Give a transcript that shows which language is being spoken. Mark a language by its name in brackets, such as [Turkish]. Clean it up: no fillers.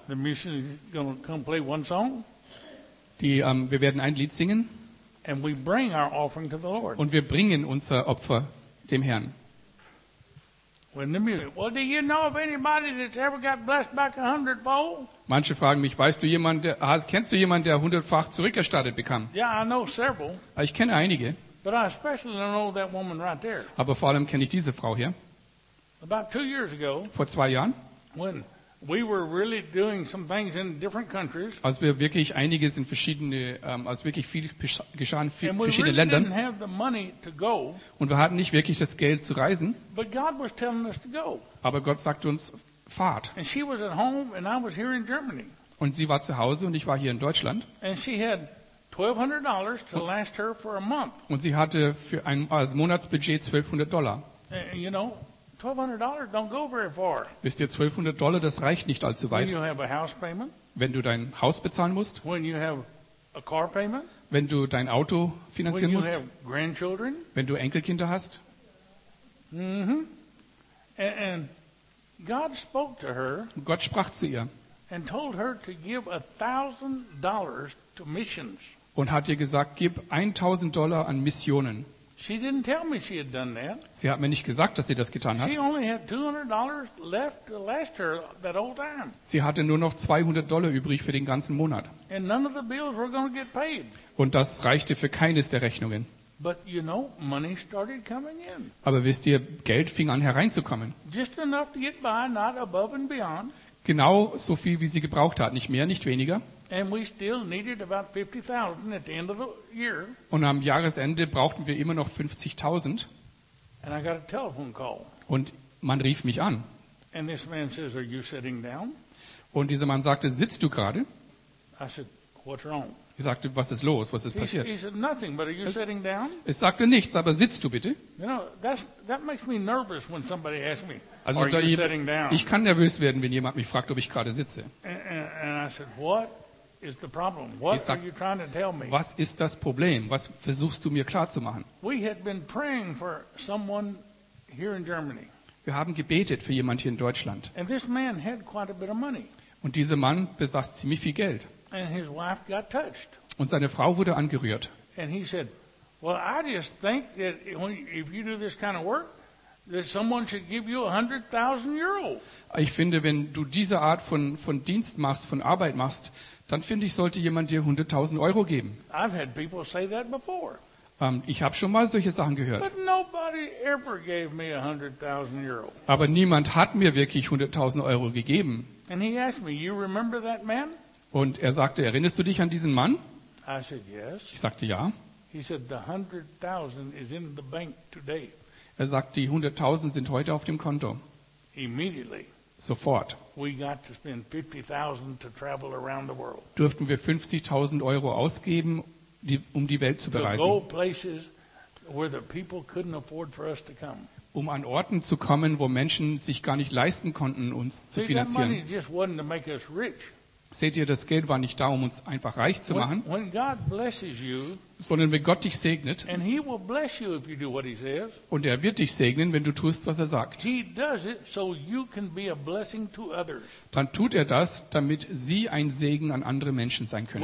[English] The musician is going to come play one song. [German] Wir werden ein Lied singen. [English] And we bring our offering to the Lord. [German] Und wir bringen unser Opfer dem Herrn. [English] Well, do you know of anybody that's ever got blessed back 100-fold? [German] Manche fragen mich, kennst du jemanden, der 100-fach zurückerstattet bekam? [English] Yeah, I know several. [German] Ich kenne einige. [English] But I especially don't know that woman right there. [German] Aber vor allem kenne ich diese Frau hier. [English] About 2 years ago. [German] Vor 2 Jahren. [English] When we were really doing some things in different countries. [German] Als wir wirklich einiges in verschiedene, als wirklich viel geschah in verschiedenen Ländern. [English] Didn't have the money to go. [German] Und wir hatten nicht wirklich das Geld zu reisen. [English] But God was telling us to go. [German] Aber Gott sagte uns, fahrt. [English] And she was at home and I was here in Germany. [German] Und sie war zu Hause und ich war hier in Deutschland. [English] And she had $1,200 to last her for a month. [German] Und sie hatte für ein Monatsbudget $1,200. [English] And, you know, $1,200 don't go very far. [German] Wisst ihr, $1,200, das reicht nicht allzu weit. [English] When you have a house payment. [German] Wenn du dein Haus bezahlen musst. [English] When you have a car payment. [German] Wenn du dein Auto finanzieren musst. [English] When you have grandchildren. [German] Wenn du Enkelkinder hast. [English] And God spoke to her. [German] Gott sprach zu ihr. [English] And told her to give $1,000 to missions. [German] Und hat ihr gesagt, gib $1,000 an Missionen. [English] She didn't tell me she had done that. [German] Sie hat mir nicht gesagt, dass sie das getan hat. [English] She only had $200 left to last her that whole time. [German] Sie hatte nur noch $200 übrig für den ganzen Monat. [English] And none of the bills were going to get paid. [German] Und das reichte für keines der Rechnungen. [English] But you know, money started coming in. [German] Aber wisst ihr, Geld fing an hereinzukommen. [English] Just enough to get by, not above and beyond. [German] Genau so viel, wie sie gebraucht hat, nicht mehr, nicht weniger. [English] And we still needed about 50,000 at the end of the year. [German] Und am Jahresende brauchten wir immer noch 50,000. [English] And I got a telephone call. [German] Und man rief mich an. [English] And this man says, "Are you sitting down?" [German] Und dieser Mann sagte, sitzt du gerade? [English] I said, "What's wrong?" [German] Ich sagte, was ist los? Was ist passiert? [English] He said, "Nothing, but are you sitting down?" [German] Es sagte nichts, aber sitzt du bitte? [English] You know, that makes me nervous when somebody asks me. Also are you sitting down? [German] Ich kann nervös werden, wenn jemand mich fragt, ob ich gerade sitze. [English] And I said, "What is the problem? What are you trying to tell me?" [German] Was ist das Problem? Was versuchst du mir klarzumachen? [English] We had been praying for someone here in Germany. [German] Wir haben gebetet für jemanden hier in Deutschland. [English] And this man had quite a bit of money. [German] Und dieser Mann besaß ziemlich viel Geld. [English] And his wife got touched. [German] Und seine Frau wurde angerührt. [English] And he said, "Well, I just think that if you do this kind of work, that someone should give you 100,000 euro." [German] Ich finde, wenn du diese Art von Dienst machst, von Arbeit machst, dann finde ich, sollte jemand dir 100.000 Euro geben. [English] I've had people say that before. [German] Ich habe schon mal solche Sachen gehört. [English] But nobody ever gave me 100,000 euro. [German] Aber niemand hat mir wirklich 100.000 Euro gegeben. [English] And he asked me, "You remember that man?" [German] Und er sagte, erinnerst du dich an diesen Mann? [English] I said, "Yes." [German] Ich sagte, ja. [English] He said, "The 100,000 is in the bank today." [German] Er sagt, die 100.000 sind heute auf dem Konto. [English] Immediately. [German] Sofort. [English] We got to spend 50,000 to travel around the world. [German] Durften wir 50.000 Euro ausgeben, um die Welt zu bereisen. [English] To go places where the people couldn't afford for us to come. [German] Um an Orten zu kommen, wo Menschen sich gar nicht leisten konnten, uns zu finanzieren. [English] See, that money just wasn't to make us rich. [German] Seht ihr, das Geld war nicht da, um uns einfach reich zu machen, [English] when God blesses you, [German] sondern wenn Gott dich segnet, [English] and he will bless you if you do what he says, [German] und er wird dich segnen, wenn du tust, was er sagt, [English] he does it so you can be a blessing to others. [German] Dann tut er das, damit sie ein Segen an andere Menschen sein können.